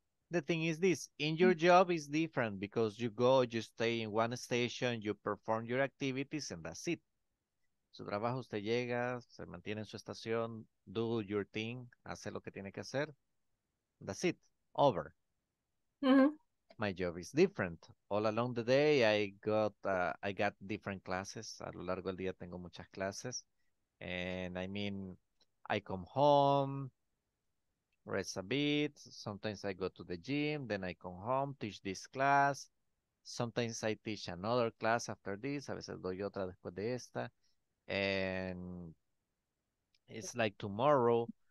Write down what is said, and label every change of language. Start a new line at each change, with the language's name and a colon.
English: The thing is this, in your job is different because you go, you stay in one station, you perform your activities, and that's it.
Spanish: Su trabajo, usted llega, se mantiene en su estación,
English: do your thing,
Spanish: hace lo que tiene que hacer.
English: That's it. Over. Mm-hmm. My job is different. All along the day, I got different classes.
Spanish: A lo largo del día tengo muchas clases.
English: And I mean, I come home, rest a bit. Sometimes I go to the gym. Then I come home, teach this class. Sometimes I teach another class after this.
Spanish: A veces doy otra después de esta.
English: And it's like tomorrow.